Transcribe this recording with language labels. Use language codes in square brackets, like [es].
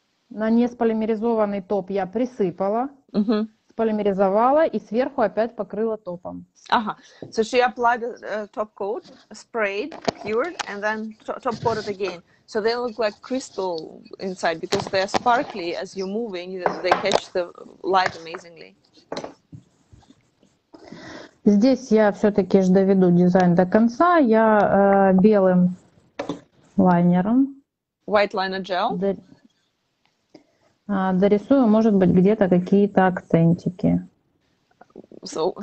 [ru] На несполимеризованный топ я присыпала. Полимеризовала и сверху опять покрыла топом. Ага. [en] So she applied a top coat, sprayed, cured, and then top coated again. So they look like crystal inside because they are sparkly as you're moving, they catch the light amazingly. [ru] Здесь я все-таки же доведу дизайн до конца. Я белым лайнером. [en] White liner gel. [ru] Дорисую, может быть, где-то какие-то акцентики. [en] So